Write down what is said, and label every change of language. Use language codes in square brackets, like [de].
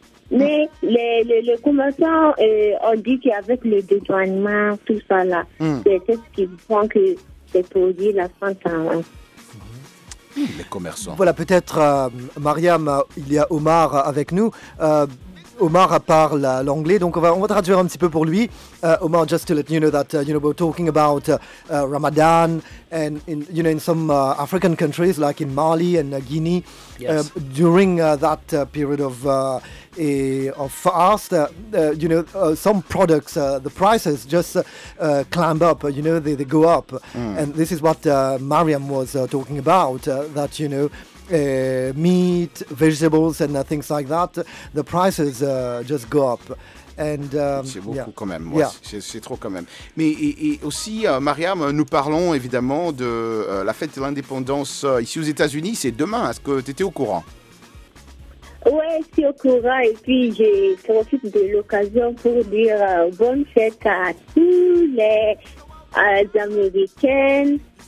[fr] Mais les commerçants ont dit qu'avec le dédouanement, tout ça là, c'est ce qui font que ces produits là sont en hausse. Les commerçants. Voilà, peut-être, Mariam, il y a Omar avec nous. Omar parle l'anglais, donc on va traduire un petit peu pour lui. [en] Omar, just to let you know that we're talking about Ramadan and in some African countries like in Mali and Guinea, yes. During that period of fast, some products the prices just climb up. They go up, and this is what Mariam was talking about. That you know. Meat, vegetables, and things like that, the prices just go up. And, [fr] c'est beaucoup quand même. Moi, c'est trop quand même. Mais et aussi, Mariam, nous parlons évidemment de la fête de l'indépendance ici aux États-Unis. C'est demain. Est-ce que tu étais au courant? Oui, je suis au courant. Et puis, je profite de l'occasion pour dire bonne fête à tous les Américains.